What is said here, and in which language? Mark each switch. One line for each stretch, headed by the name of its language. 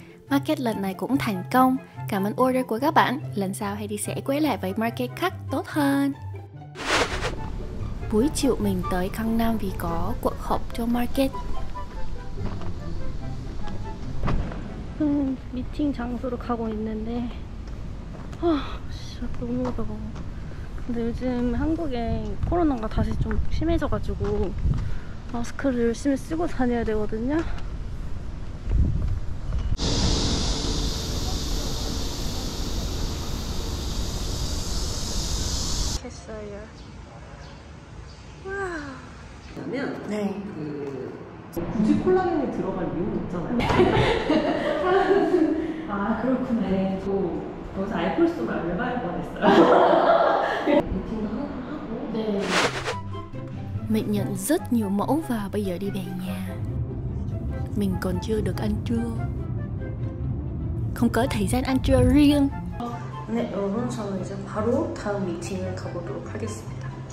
Vietnamese: Market lần này cũng thành công. Cảm ơn order của các bạn. Lần sau hãy đi sẽ quay lại với market khác tốt hơn. Buổi chiều mình tới Gangnam vì có cuộc họp cho market.
Korean: Meeting 장소로 가고 있는데. 아, 진짜 너무 더워. 근데 요즘 한국에 코로나가 다시 좀 심해져 가지고 마스크를 열심히 쓰고 다녀야 되거든요.
Vietnamese: Mình nhận rất nhiều mẫu và bây giờ đi về nhà. Mình còn chưa được ăn trưa. Không có thời gian ăn trưa riêng.
Korean: 네, 여러분, 저는 이제 바로 다음 미팅을 가보도록 하겠습니다.